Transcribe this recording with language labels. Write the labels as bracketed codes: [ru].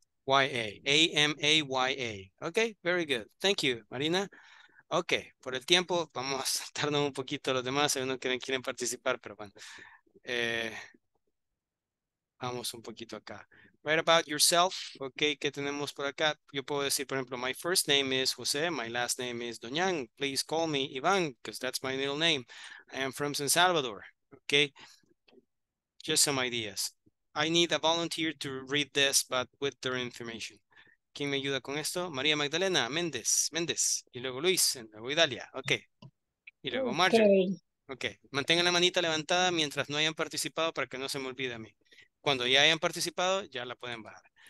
[en] Y-A, A-M-A-Y-A. Ok, very good. Thank you, Marina. [es] Ok, por el tiempo, vamos a saltarnos un poquito los demás. Hay unos que quieren participar, pero bueno. Vamos un poquito acá. [en] Right about yourself. [es] Ok, ¿qué tenemos por acá? Yo puedo decir, por ejemplo, [en] my first name is José. My last name is Doñan. Please call me Iván, because that's my middle name. I am from San Salvador. Ok, just some ideas. I need a volunteer to read this, but with their information. [es] ¿Quién me ayuda con esto? María Magdalena, Méndez, y luego Luis, y luego Idalia, ok. Y luego Marjorie. Ok, mantengan la manita levantada mientras no hayan participado para que no se me olvide a mí. Cuando ya hayan participado, ya la pueden bajar.